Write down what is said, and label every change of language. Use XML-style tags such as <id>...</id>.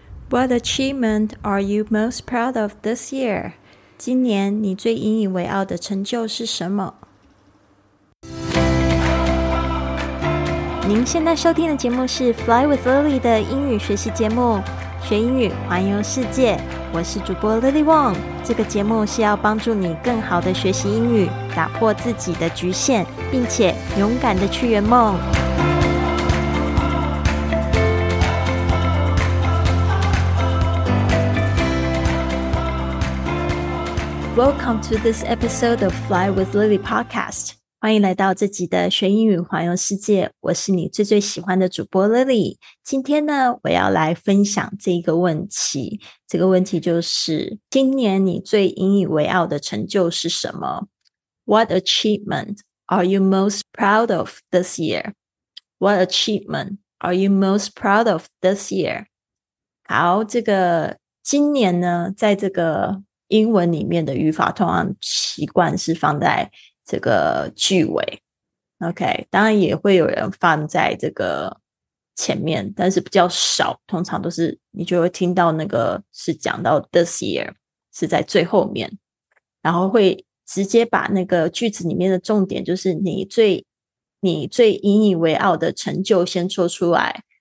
<en>What achievement are you most proud of this year?</en> <zh>今年你最引以为傲的成就是什么？您现在收听的节目是 Fly with Lily 的英语学习节目，学英语，环游世界。我是主播 Lily Wong。这个节目是要帮助你更好的学习英语，打破自己的局限，并且勇敢的去圆梦。</zh> <en>Welcome to this episode of Fly with Lily podcast.</en> <zh>欢迎来到这集的学英语环游世界，我是你最最喜欢的主播 Lily。今天呢，我要来分享这一个问题，这个问题就是，今年你最引以为傲的成就是什么？</zh> <en>What achievement are you most proud of this year? What achievement are you most proud of this year?</en> <zh>好，这个今年呢，在这个英文里面的语法通常习惯是放在这个句尾 OK， 当然也会有人放在这个前面，但是比较少，通常都是你就会听到那个是讲到</zh> <en>this year</en> <zh>是在最后面，然后会直接把那个句子里面的重点，就是你最引以为傲的成就先说出来。</zh>